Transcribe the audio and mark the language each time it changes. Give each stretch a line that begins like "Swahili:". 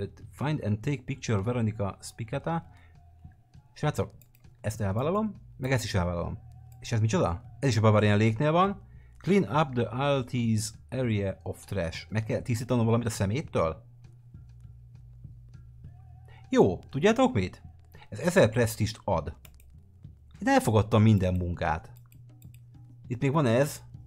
English: Find and take picture Veronica Spicata.
Hungarian: Srácok, ezt elvállalom, meg ezt is elvállalom. És ez micsoda? Ez is a Bavarian Lake-nél van.
English: Clean up the Altis area of trash.
Hungarian: Meg kell tisztítanom valamit a szeméttől? Jó, tudjátok mit? Ez 1000 prestige-t ad. Én elfogadtam minden munkát. Itt még van ez.